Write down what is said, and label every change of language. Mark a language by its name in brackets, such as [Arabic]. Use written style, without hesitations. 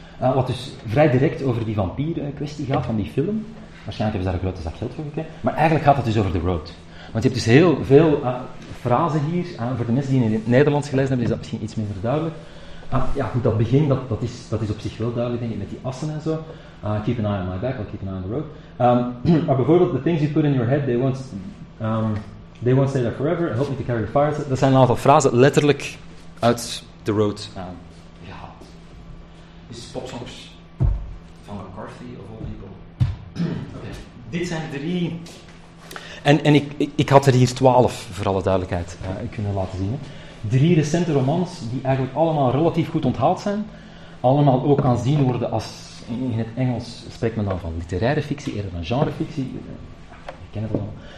[Dutch] Wat dus vrij direct over die vampieren kwestie gaat van die film. Waarschijnlijk hebben ze daar een grote zak geld voor gekregen. Maar eigenlijk gaat het dus over The Road. Want je hebt dus heel veel frasen hier. Voor de mensen die in het Nederlands gelezen hebben, is dat misschien iets minder duidelijk. Dat begin, dat is op zich wel duidelijk, denk ik, met die assen en zo. [English] Keep an eye on my back, I'll keep an eye on the road. [Dutch] Maar bijvoorbeeld, [English] the things you put in your head, they won't stay there forever, help me to carry the fires. [Dutch] Dat zijn een aantal frasen, letterlijk, uit The Road gehaald. Dus popsongs van McCarthy, [English] of all people. [Dutch] Okay. Dit zijn drie... En ik had er hier 12, voor alle duidelijkheid, kunnen laten zien. Drie recente romans die eigenlijk allemaal relatief goed onthaald zijn. Allemaal ook kan zien worden als... In het Engels spreekt men dan van literaire fictie, eerder dan genrefictie. Ik ken het allemaal.